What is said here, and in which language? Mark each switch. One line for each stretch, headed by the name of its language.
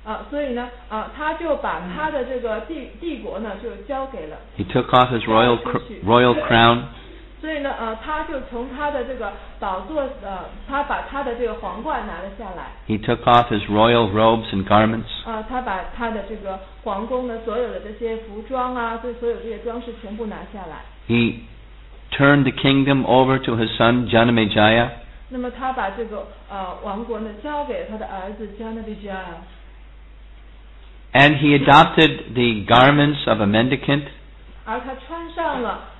Chinese: 所以呢，他就把他的这个帝国呢就交给了。
English: He took off his royal crown.
Chinese: 所以呢，他就从他的这个宝座，他把他的这个皇冠拿了下来。
English: He took off his royal robes and garments.
Chinese: 他把他的这个皇宫的所有的这些服装啊，所有这些装饰全部拿下来。
English: He turned the kingdom over to his son Janamejaya.
Chinese: 那么他把这个王国呢交给他的儿子Janamejaya。
English: And he adopted the garments of a mendicant.
Chinese: 而他穿上了。